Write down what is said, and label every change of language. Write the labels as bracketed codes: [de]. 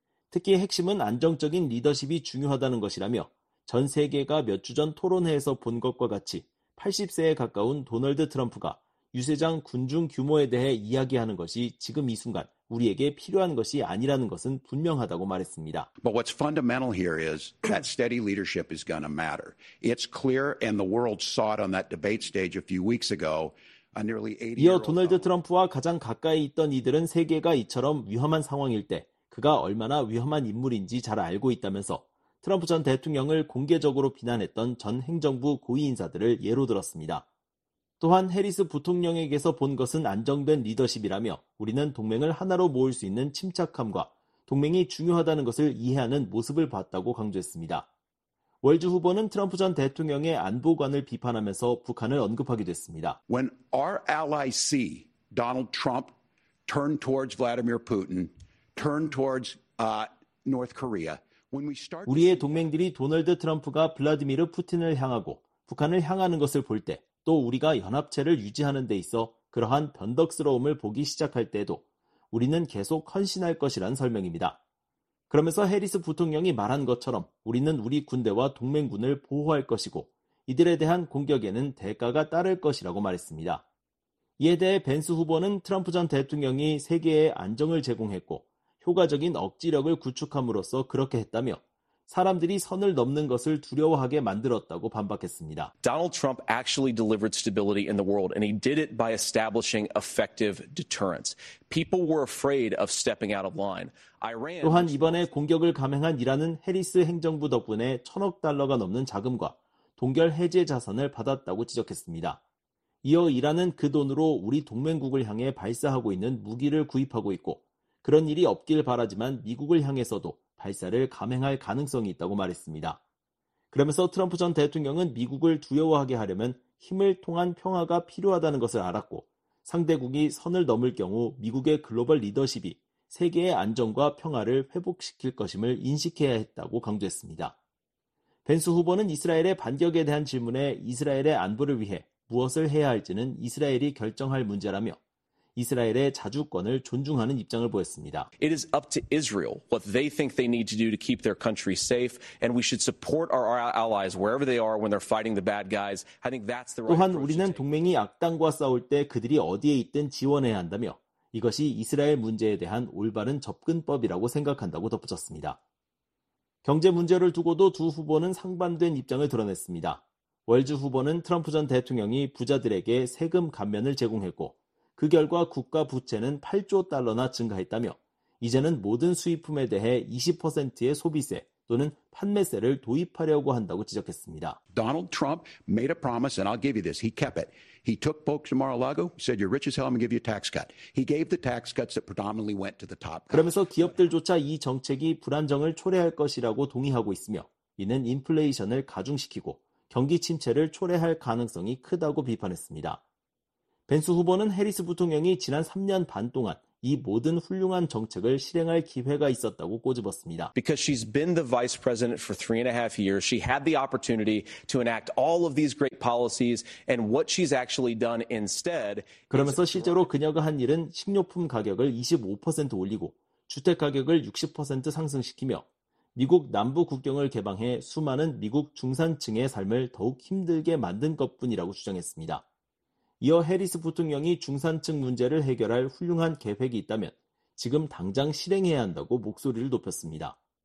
[ko] 특히 핵심은 안정적인 리더십이 중요하다는 것이라며 전 세계가 몇 주 전 토론회에서 본 것과 같이 80세에 가까운 도널드 트럼프가 유세장 군중 규모에 대해 이야기하는 것이 지금 이 순간 우리에게 필요한 것이 아니라는 것은 분명하다고 말했습니다. [en] But what's fundamental here is that steady leadership is going to matter. It's clear and the world saw it on that debate stage a few weeks ago. [ko] 이어 도널드 트럼프와 가장 가까이 있던 이들은 세계가 이처럼 위험한 상황일 때 그가 얼마나 위험한 인물인지 잘 알고 있다면서 트럼프 전 대통령을 공개적으로 비난했던 전 행정부 고위 인사들을 예로 들었습니다. 또한 해리스 부통령에게서 본 것은 안정된 리더십이라며 우리는 동맹을 하나로 모을 수 있는 침착함과 동맹이 중요하다는 것을 이해하는 모습을 봤다고 강조했습니다. 월즈 후보는 트럼프 전 대통령의 안보관을 비판하면서 북한을 언급하기도 했습니다. [en] When our allies see Donald Trump turn towards Vladimir Putin, turn towards North Korea, [ko] 우리의 동맹들이 도널드 트럼프가 블라디미르 푸틴을 향하고 북한을 향하는 것을 볼 때 또 우리가 연합체를 유지하는 데 있어 그러한 변덕스러움을 보기 시작할 때도 우리는 계속 헌신할 것이란 설명입니다. 그러면서 해리스 부통령이 말한 것처럼 우리는 우리 군대와 동맹군을 보호할 것이고 이들에 대한 공격에는 대가가 따를 것이라고 말했습니다. 이에 대해 벤스 후보는 트럼프 전 대통령이 세계에 안정을 제공했고 효과적인 억지력을 구축함으로써 그렇게 했다며 사람들이 선을 넘는 것을 두려워하게 만들었다고 반박했습니다. [en] Donald Trump actually delivered stability in the world and he did it by establishing effective deterrence. People were afraid of stepping out of line. Iran [ko] 또한 이번에 공격을 감행한 이란은 해리스 행정부 덕분에 천억 달러가 넘는 자금과 동결 해제 자산을 받았다고 지적했습니다. 이어 이란은 그 돈으로 우리 동맹국을 향해 발사하고 있는 무기를 구입하고 있고 그런 일이 없길 바라지만 미국을 향해서도 발사를 감행할 가능성이 있다고 말했습니다. 그러면서 트럼프 전 대통령은 미국을 두려워하게 하려면 힘을 통한 평화가 필요하다는 것을 알았고 상대국이 선을 넘을 경우 미국의 글로벌 리더십이 세계의 안정과 평화를 회복시킬 것임을 인식해야 했다고 강조했습니다. 벤스 후보는 이스라엘의 반격에 대한 질문에 이스라엘의 안보를 위해 무엇을 해야 할지는 이스라엘이 결정할 문제라며 이스라엘의 자주권을 존중하는 입장을 보였습니다. [en] It is up to Israel what they think they need to do to keep their country safe, and we should support our allies wherever they are when they're fighting the bad guys. I think that's the right approach. [ko] 또한 우리는 동맹이 악당과 싸울 때 그들이 어디에 있든 지원해야 한다며 이것이 이스라엘 문제에 대한 올바른 접근법이라고 생각한다고 덧붙였습니다. 경제 문제를 두고도 두 후보는 상반된 입장을 드러냈습니다. 월즈 후보는 트럼프 전 대통령이 부자들에게 세금 감면을 제공했고 그 결과 국가 부채는 8조 달러나 증가했다며 이제는 모든 수입품에 대해 20%의 소비세 또는 판매세를 도입하려고 한다고 지적했습니다. [en] Donald Trump made a promise and I'll give you this. He kept it. He took folks to Mar-a-Lago, said you're rich as hell, I'm gonna give you a tax cut. He gave the tax cuts that predominantly went to the top. [ko] 그러면서 기업들조차 이 정책이 불안정을 초래할 것이라고 동의하고 있으며 이는 인플레이션을 가중시키고 경기 침체를 초래할 가능성이 크다고 비판했습니다. 벤스 후보는 해리스 부통령이 지난 3년 반 동안 이 모든 훌륭한 정책을 실행할 기회가 있었다고 꼬집었습니다. [en] Because she's been the vice president for 3.5 years, she had the opportunity to enact all of these great policies and what she's actually done instead. [ko] 그러면서 실제로 그녀가 한 일은 식료품 가격을 25% 올리고 주택 가격을 60% 상승시키며 미국 남부 국경을 개방해 수많은 미국 중산층의 삶을 더욱 힘들게 만든 것뿐이라고 주장했습니다. 이어 해리스 부통령이 중산층 문제를 해결할 훌륭한 계획이 있다면 지금 당장 실행해야 한다고 목소리를 높였습니다.